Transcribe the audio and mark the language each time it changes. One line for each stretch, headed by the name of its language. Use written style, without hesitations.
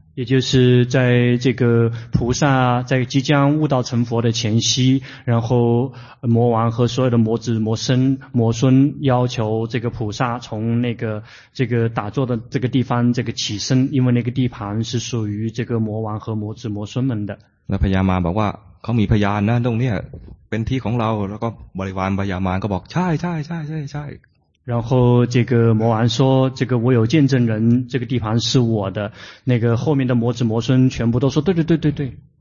Chinese: 也就是在这个菩萨在即将悟道成佛的前夕，然后魔王和所有的魔子魔孙魔孙要求这个菩萨从那个这个打坐的这个地方这个起身，因为那个地盘是属于这个魔王和魔子魔孙们的。
Thai: 那พญามารบอกว่าเขามีพยานนะตรงเนี้ยเป็นที่ของเราแล้วก็บริวารพญามารก็บอกใช่ใช่ใช่ใช่ใช่
Chinese: 然后这个魔王说这个我有见证人这个地盘是我的，那个后面的魔子魔孙全部都说对对对对对。